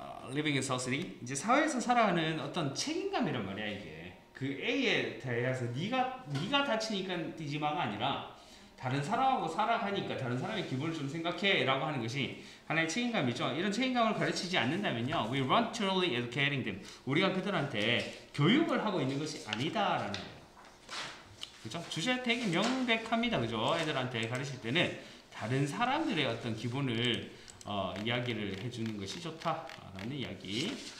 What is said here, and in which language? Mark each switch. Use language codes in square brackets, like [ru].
[en] Living in society [ko] 이제 사회에서 살아가는 어떤 책임감이란 말이야 이게 그 A에 대해서 네가 다치니까 뛰지마가 아니라 다른 사람하고 살아가니까 다른 사람의 기분을 좀 생각해 라고 하는 것이 하나의 책임감이죠. 이런 책임감을 가르치지 않는다면요, [en] we run truly educating them. [ko] 우리가 그들한테 교육을 하고 있는 것이 아니다 라는 거예요. 그죠? 주제 되게 명백합니다. 그죠? 애들한테 가르칠 때는 다른 사람들의 어떤 기분을 이야기를 해주는 것이 좋다 라는 이야기.